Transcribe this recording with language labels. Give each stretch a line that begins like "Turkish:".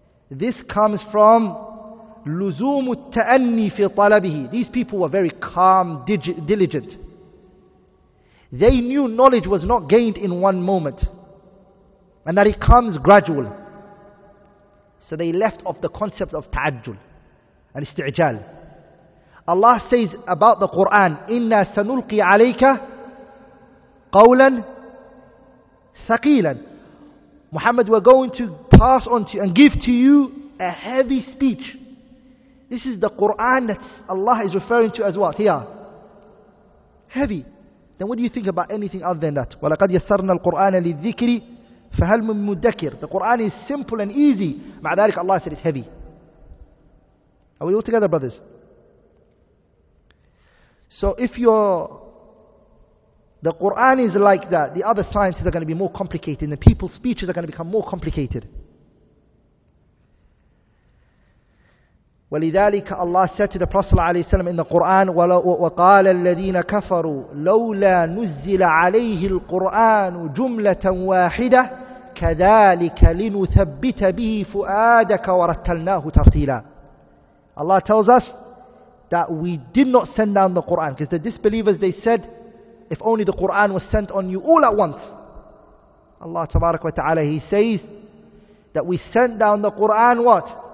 English: This comes from
Arabic: لزوم التأني في طلبه.
English: These people were very calm, diligent. They knew knowledge was not gained in one moment, and that it comes gradual. So they left off the concept of ta'ajjul and isti'jal. Allah says about the Quran,
Arabic: إِنَّا سَنُلْقِي عَلَيْكَ قَوْلًا ثَقِيلًا.
English: Muhammad, we're going to pass on to you and give to you a heavy speech. This is the Quran that Allah is referring to as what? Here. Heavy. Then what do you think about anything other than that?
Arabic: وَلَقَدْ يَسَّرْنَا الْقُرْآنَ لِلذِّكْرِ فَهَلْ مِن مُدَّكِرِ.
English: The Quran is simple and easy.
Arabic: مع ذلك
English: Allah said it's heavy. Are we all together, brothers? So if the Quran is like that, the other sciences are going to be more complicated and the people's speeches are going to become more complicated.
Arabic: ولذلك الله سأتد برسول الله صلى الله عليه وسلم إن القرآن وقال الذين كفروا لولا نزل عليه القرآن جملة واحدة كذلك لنثبت به فؤادك ورتلناه ترتيلا.
English: Allah tells us that we did not send down the Quran because the disbelievers, they said if only the Quran was sent on you all at once. Allah
Arabic: تبارك وتعالى,
English: he says that we sent down the Quran what?